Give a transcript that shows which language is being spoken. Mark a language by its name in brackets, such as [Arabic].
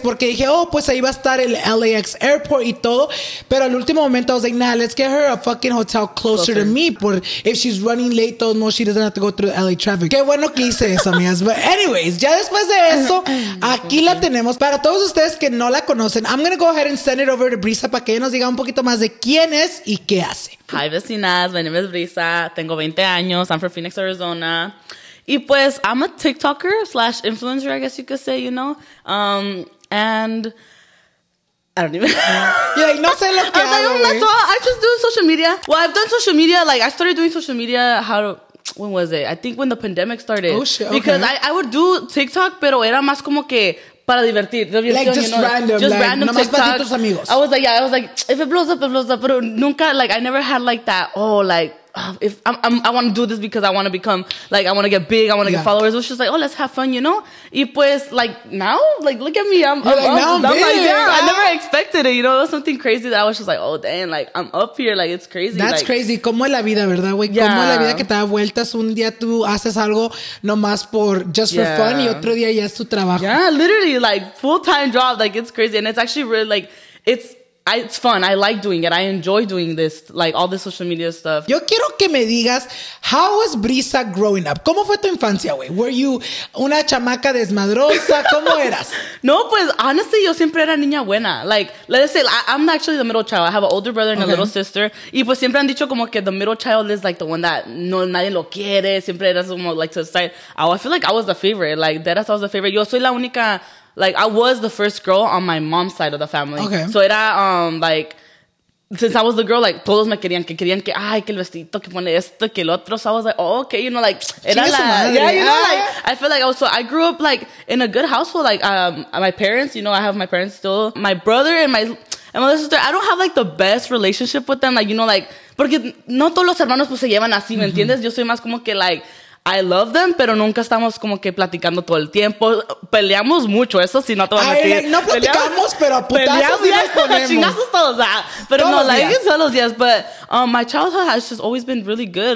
[Spanish] Porque dije, oh, pues ahí va a estar el LAX airport y todo. Pero al último momento, [English] I was like, nah, let's get her a fucking hotel closer to me. Por if she's running late, [Spanish] todo no, [English] she doesn't have to go through LA traffic. [Spanish] Qué bueno que hice eso, amigas. [English] But anyways, [Spanish] ya después de eso, aquí la tenemos. Para todos ustedes que no la conocen, [English] I'm going to go ahead and send it over to Brisa [Spanish] para que ella nos diga un poquito más de quién es y qué hace. [English] Hi, vecinas. My name is Brisa. [Spanish] Tengo 20 años. [English] I'm from Phoenix, Arizona. [Spanish] Y pues, [English] I'm a TikToker / influencer, I guess you could say, you know? And I don't even [Spanish] know. Yeah, no sé lo que hago, [English] like, so I just do social media. Well, I've done social media. Like, I started doing social media, when was it? I think when the pandemic started. Oh, shit. Okay. Because I would do TikTok, [Spanish] pero era más como que para divertir. [English] Like, just, you know, random, just like, random. [Spanish] Nomás TikToks. Para tus amigos. [English] I was like, yeah, I was like, if it blows up, it blows up. [Spanish] Pero nunca, [English] like, I never had like that, oh, like, if I want to do this because I want to become, like, I want to get big, I want to get followers. It's just like, oh, let's have fun, you know? [Spanish] Y pues, [English] like, now, like, look at me, I'm up, I'm big, like, yeah. I never expected it, you know? It was something crazy that I was just like, oh, dang, like, I'm up here, like, it's crazy. That's like, crazy. [Spanish] Como la vida, ¿verdad, güey? Yeah. Como la vida que te da vueltas. Un día tú haces algo nomás por, [English] just for fun, [Spanish] y otro día ya es tu trabajo. [English] Yeah, literally, like, full-time job, like, it's crazy. And it's actually really, like, it's fun. I like doing it. I enjoy doing this, like all the social media stuff. [Spanish] Yo quiero que me digas, [English] how was Brisa growing up? [Spanish] ¿Cómo fue tu infancia, güey? [English] Were you [Spanish] una chamaca desmadrosa? ¿Cómo eras? No, pues, [English] honestly, [Spanish] yo siempre era niña buena. [English] Like, let's say, I'm actually the middle child. I have an older brother and a little sister. [Spanish] Y pues siempre han dicho como que [English] the middle child is like the one that [Spanish] no nadie lo quiere. Siempre eras como [English] like to the side. I feel like I was the favorite. Like, deadass, I was the favorite. [Spanish] Yo soy la única... [English] Like, I was the first girl on my mom's side of the family. Okay. [Spanish] So, era, like, [English] since I was the girl, [Spanish] like, todos me querían que, ay, que el vestido, que pone esto, que el otro. [English] So, I was like, oh, okay, you know, like, [Spanish] era la, [English] I feel like I was, so I grew up, like, in a good household. Like, my parents, you know, I have my parents still. My brother and my little sister, I don't have, like, the best relationship with them. Like, you know, like, [Spanish] porque no todos los hermanos, pues, se llevan así, ¿me entiendes? Yo soy más como que, like... [English] I love them, [Spanish] pero nunca estamos como que platicando todo el tiempo. Peleamos mucho, eso sí, no te voy a mentir. No platicamos, peleamos, pero a putazos sí nos ponemos. Chingazos todos, ah. Pero todos no, la like, todos los días. [English] But my childhood has just always been really good.